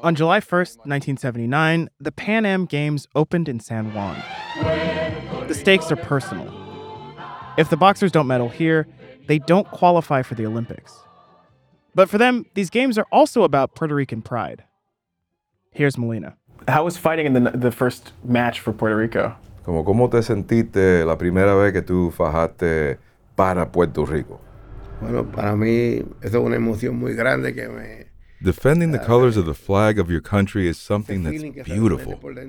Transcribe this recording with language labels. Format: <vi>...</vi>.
<en>On July 1st, 1979, the Pan Am Games opened in San Juan. The stakes are personal. If the boxers don't medal here, they don't qualify for the Olympics. But for them, these games are also about Puerto Rican pride. Here's Molina. How was fighting in the first match for Puerto Rico?</en> <es>¿Cómo te sentiste la primera vez que tú fajaste para Puerto Rico?</es> <en>Defending the colors of the flag of your country is something that's beautiful.</en>